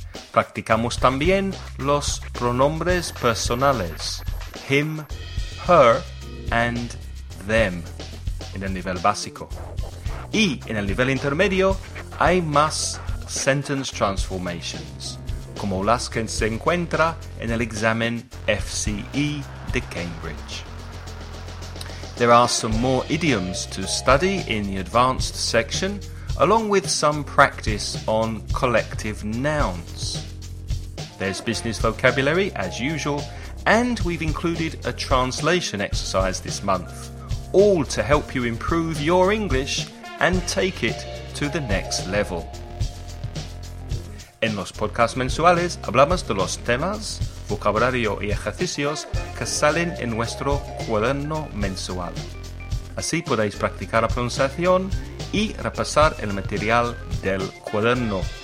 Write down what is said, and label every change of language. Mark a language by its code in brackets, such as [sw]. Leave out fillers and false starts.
[es] Practicamos también los pronombres personales, him, her, and them, en el nivel básico. Y en el nivel intermedio hay más sentence transformations, como las que se encuentra en el examen FCE de Cambridge. [en] There are some more idioms to study in the advanced section, along with some practice on collective nouns. There's business vocabulary, as usual, and we've included a translation exercise this month, all to help you improve your English and take it to the next level. [es] En los podcasts mensuales hablamos de los temas, vocabulario y ejercicios que salen en nuestro cuaderno mensual. Así podéis practicar la pronunciación y repasar el material del cuaderno.